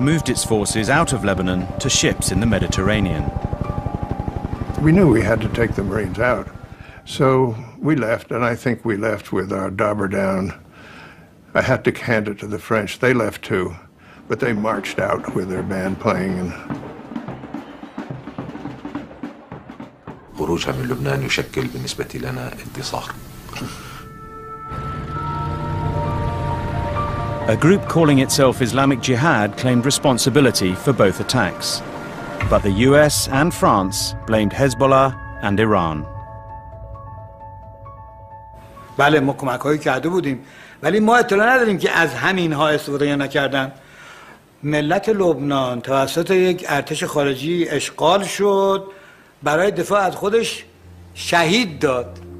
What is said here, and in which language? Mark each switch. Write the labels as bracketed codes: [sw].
[en] moved its forces out of Lebanon to ships in the Mediterranean. We knew we had to take the Marines out. So we left, and I think we left with our dobber down. I had to hand it to the French. They left too, but they marched out with their band playing. [ar] خروجها من لبنان يشكل بالنسبة لنا انتصار. [en] A group calling itself Islamic Jihad claimed responsibility for both attacks. But the US and France blamed Hezbollah and Iran. [fa] بله ما کمک‌هایی کرده بودیم ولی ما اطلاع نداریم که از همین ها استفاده یا نکردن. ملت لبنان توسط یک ارتش خارجی اشغال شد برای دفاع از خودش شهید داد.